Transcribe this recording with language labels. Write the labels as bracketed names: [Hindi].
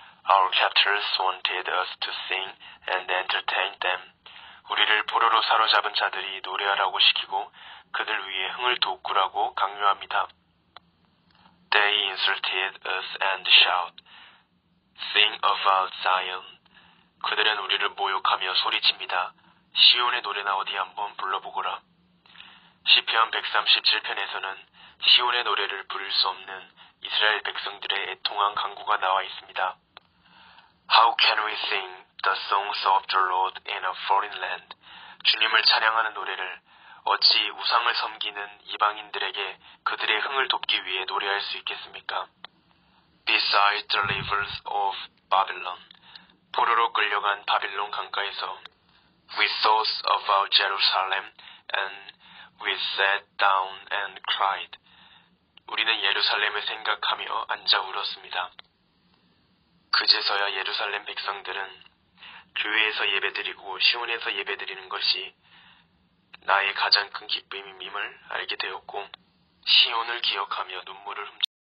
[English] Our captors wanted us to sing and entertain them. [Korean] 우리를 포로로 사로잡은 자들이 노래하라고 시키고 그들 위에 흥을 돋구라고 강요합니다. [English] They insulted us and shout, Sing about Zion. [Korean] 그들은 우리를 모욕하며 소리칩니다. 시온의 노래나 어디 한번 불러보거라. 시편 137편에서는 시온의 노래를 부를 수 없는 이스라엘 백성들의 애통한 간구가 나와 있습니다. [English] How can we sing the songs of the Lord in a foreign land? [Korean] 주님을 찬양하는 노래를 어찌 우상을 섬기는 이방인들에게 그들의 흥을 돕기 위해 노래할 수 있겠습니까? [English] Beside the rivers of Babylon, [Korean] 포로로 끌려간 바빌론 강가에서 [English] We thought about Jerusalem and we sat down and cried. [Korean] 우리는 예루살렘을 생각하며 앉아 울었습니다. 그제서야 예루살렘 백성들은 교회에서 예배드리고 시온에서 예배드리는 것이 나의 가장 큰 기쁨임을 알게 되었고 시온을 기억하며 눈물을 훔쳤습니다.